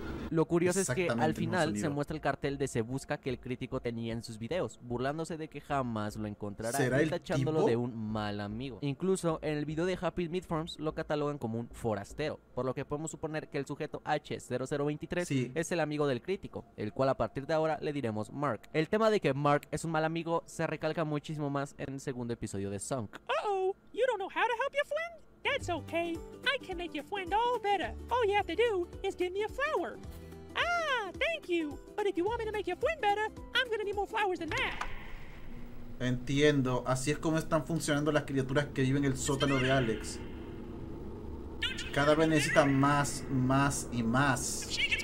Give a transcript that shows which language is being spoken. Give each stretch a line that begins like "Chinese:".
Spanish: Lo curioso es que al final se muestra el cartel de Se Busca que el crítico tenía en sus videos, burlándose de que jamás lo encontrará y tachándolo de un mal amigo. Incluso en el video de Happy Meat Farms lo catalogan como un forastero, por lo que podemos suponer que el sujeto H0023 es el amigo del crítico, el cual a partir de ahora le diremos Mark. El tema de que Mark es un mal amigo se recalca muchísimo más en el segundo episodio de Sonk.
English: You don't know how to help your friend? That's okay. I can make your friend all better. All you have to do is give me a flower. Ah, thank you. But if you want me to make your friend better, I'm gonna need more flowers than that.
Spanish: Entiendo. Así es como están funcionando las criaturas que viven en el sótano de Alex. Cada vez necesita más, más y más.